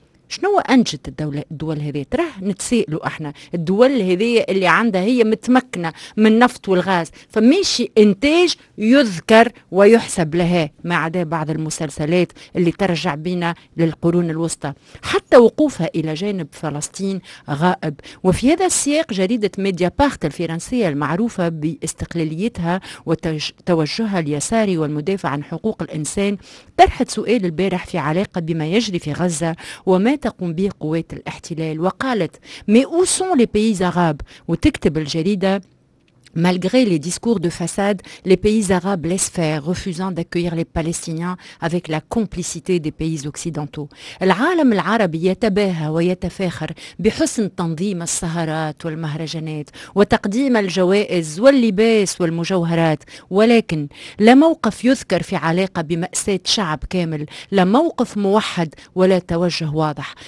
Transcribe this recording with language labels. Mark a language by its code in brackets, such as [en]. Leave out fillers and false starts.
[ar] شنو أنجت الدول هذه تراه نتسائلوا احنا الدول هذه اللي عندها هي متمكنة من النفط والغاز فماشي انتاج يذكر ويحسب لها ما عدا بعض المسلسلات اللي ترجع بينا للقرون الوسطى حتى وقوفها الى جانب فلسطين غائب وفي هذا السياق جريدة ميديا بارت الفرنسية المعروفة باستقلاليتها وتوجهها اليساري والمدافع عن حقوق الانسان طرحت سؤال البارح في علاقة بما يجري في غزة وما تقوم به قوات الاحتلال وقالت [fr] مي أو سون لي بيز أغاب [ar] وتكتب الجريدة [fr] Malgré les discours de façade, les pays arabes laissent faire, refusant d'accueillir les Palestiniens avec la complicité des pays occidentaux. [ar] العالم العربي يتباهى ويتفاخر بحسن تنظيم السهرات والمهرجانات وتقديم الجوائز واللباس والمجوهرات. ولكن لا موقف يذكر في علاقة بمأساة شعب كامل، لا موقف موحد ولا توجه واضح.